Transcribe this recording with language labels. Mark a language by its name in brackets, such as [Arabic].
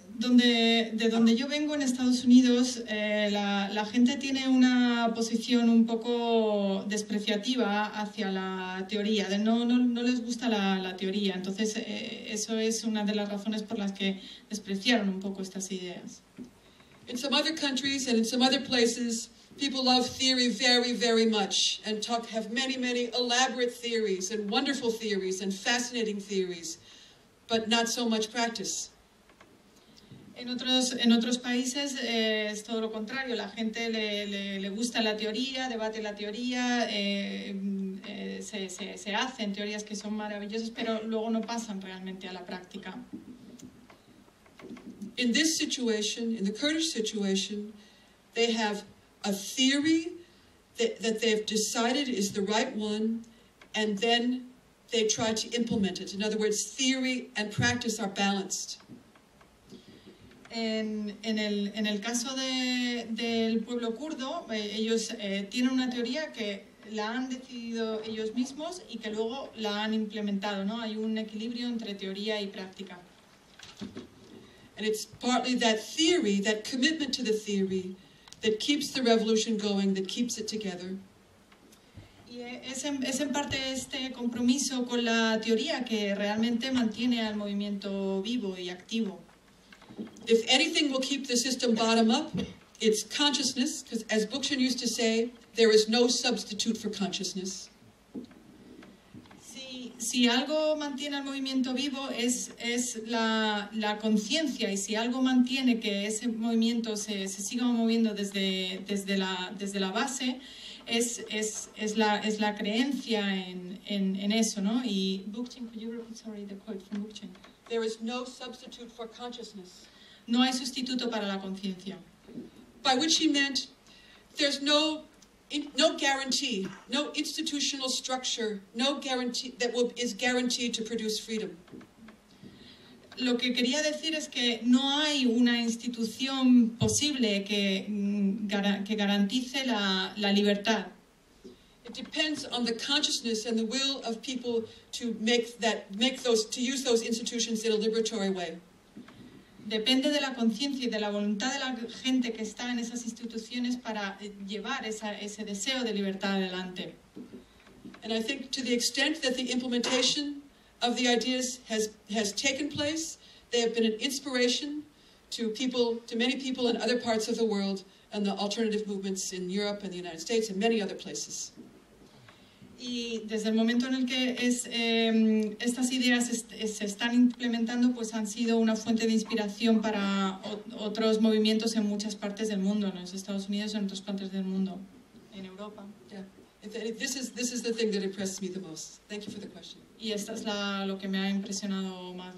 [Spanish] De donde yo vengo en Estados Unidos, la gente tiene una posición un poco despreciativa hacia la teoría. No les gusta la teoría. Entonces, eso es una de las razones por las que despreciaron un poco estas ideas. [English] In some other countries and in some other places, people love theory very, very much and have many, many elaborate theories and wonderful theories and fascinating theories, but not so much practice. [Spanish] En otros países es todo lo contrario. La gente le gusta la teoría, debate la teoría, se hacen teorías que son maravillosas, pero luego no pasan realmente a la práctica. [English] In this situation, in the Kurdish situation, they have a theory that they've decided is the right one, and then they try to implement it. In other words, theory and practice are balanced. [Spanish] En el caso del pueblo kurdo, ellos tienen una teoría que la han decidido ellos mismos y que luego la han implementado, ¿no? Hay un equilibrio entre teoría y práctica. [English] And it's partly that theory, that commitment to the theory, that keeps the revolution going, that keeps it together. [Spanish] Y es en parte este compromiso con la teoría que realmente mantiene al movimiento vivo y activo. [English] If anything will keep the system bottom up, it's consciousness, because as Bookchin used to say, there is no substitute for consciousness. [Spanish] Si algo mantiene al movimiento vivo es la conciencia, y si algo mantiene que ese movimiento se siga moviendo desde la base, es la creencia en eso, ¿no? Y [English] Bookchin, could you repeat, sorry, the quote from Bookchin? There is no substitute for consciousness. [Spanish] No hay sustituto para la conciencia. [English] By which he meant, there's no guarantee, no institutional structure, no guarantee that is guaranteed to produce freedom. [Spanish] Lo que quería decir es que no hay una institución posible que garantice la libertad. [English] It depends on the consciousness and the will of people to use those institutions in a liberatory way. [Spanish] Depende de la conciencia y de la voluntad de la gente que está en esas instituciones para llevar ese deseo de libertad adelante. [English] And I think to the extent that the implementation of the ideas has taken place, they have been an inspiration to many people in other parts of the world and the alternative movements in Europe and the United States and many other places. [Spanish] Y desde el momento en el que estas ideas se están implementando, pues han sido una fuente de inspiración para otros movimientos en muchas partes del mundo, en los Estados Unidos, en otras partes del mundo, en Europa. [English] Yeah. This is the thing that impresses me the most. Thank you for the question. [Spanish] Y esta es lo que me ha impresionado más.